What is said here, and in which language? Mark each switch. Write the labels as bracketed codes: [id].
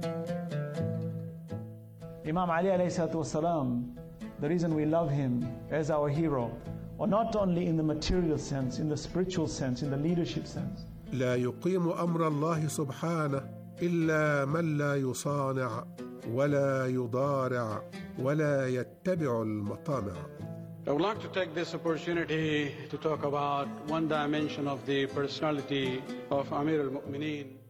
[en] Imam Ali alayhi salatu wasalam, the reason we love him as our hero, or not only in the material sense, in the spiritual sense, in the leadership sense. [ar] لا يقيم أمر الله سبحانه إلا من لا يصانع ولا يضارع ولا يتبع المطامع. [en] I would like to take this opportunity to talk about one dimension of the personality of Amir al-Mu'mineen.